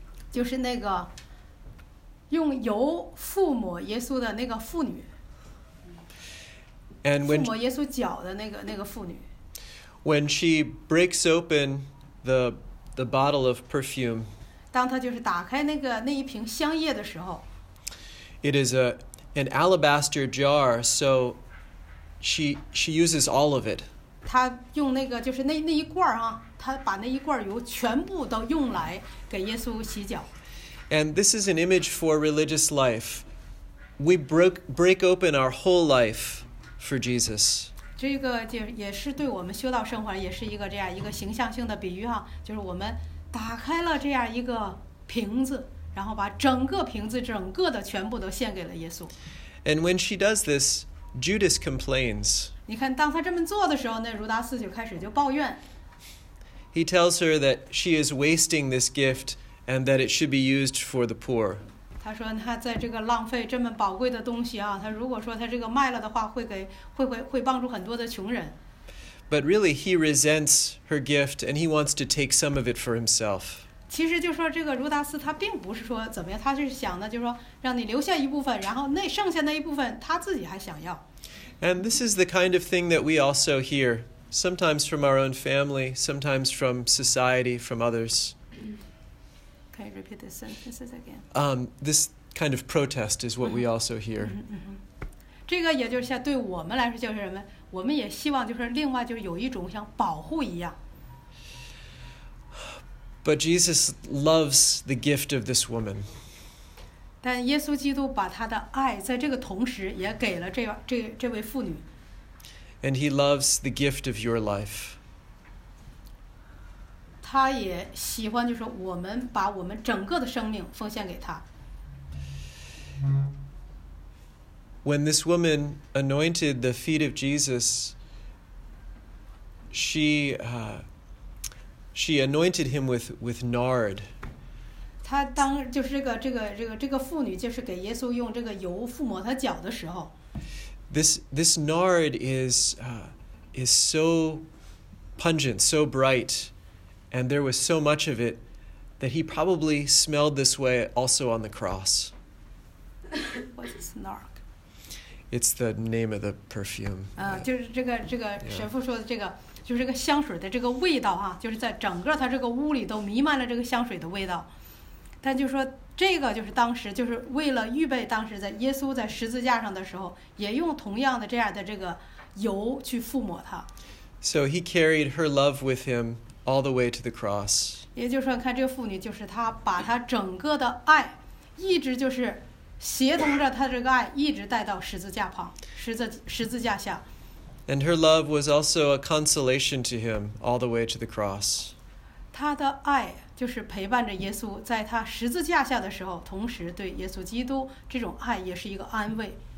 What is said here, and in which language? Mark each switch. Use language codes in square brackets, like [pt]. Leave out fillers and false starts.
[zh] 就是那个用油覆抹耶稣的那个妇女。 [en] And when [zh] 覆抹耶稣脚的那个妇女。 [en] When she breaks open the bottle of perfume. [zh] 当她就是打开那一瓶香液的时候。 [en] It is an alabaster jar, so she uses all of it. [zh] 她用那个就是那一罐啊，她把那一罐油全部都用来给耶稣洗脚。 [en] And this is an image for religious life. We break open our whole life for Jesus. [zh] 这个也是对我们修道生活也是一个这样一个形象性的比喻哈，就是我们打开了这样一个瓶子，然后把整个瓶子整个的全部都献给了耶稣。 [en] And when she does this, Judas complains. [zh] 你看，当他这么做的时候，那儒达斯就开始就抱怨。 [en] He tells her that she is wasting this gift. And that it should be used for the poor. [zh] 他说他在这个浪费这么宝贵的东西啊，他如果说他这个卖了的话，会帮助很多的穷人。 [en] But really, he resents her gift, and he wants to take some of it for himself. [zh] 其实就说这个儒达斯他并不是说怎么样，他是想的就是说让你留下一部分，然后那剩下那一部分他自己还想要。 [en] And this is the kind of thing that we also hear sometimes from our own family, sometimes from society, from others. Can you repeat the sentences again? This kind of protest is what we also hear. [zh] 这个也就是像对我们来说就是什么，我们也希望就是另外就是有一种像保护一样。 [en] But Jesus loves the gift of this woman. [zh] 但耶稣基督把他的爱在这个同时也给了这位妇女。 [en] And he loves the gift of your life. [zh] 他也喜欢，就是说我们把我们整个的生命奉献给他。 [en] When this woman anointed the feet of Jesus, she anointed him with nard. [zh] 他当就是这个妇女，就是给耶稣用这个油覆抹他脚的时候。 [en] This nard is so pungent, so bright. And there was so much of it that he probably smelled this way also on the cross. What is nard? It's the name of the perfume. [zh] 就是这个神父说的这个，就是这个香水的这个味道啊，就是在整个他这个屋里都弥漫了这个香水的味道。但就说这个就是当时就是为了预备当时在耶稣在十字架上的时候，也用同样的这样的这个油去覆抹他。 [en] So he carried her love with him. All the way to the cross. [zh] 也就是说，看这个妇女，就是她把她整个的爱，一直就是协同着她这个爱，一直带到十字架旁，十字架下。 [en] And her love was also a consolation to him all the way to the cross. [zh] 她的爱就是陪伴着耶稣，在他十字架下的时候，同时对耶稣基督这种爱也是一个安慰。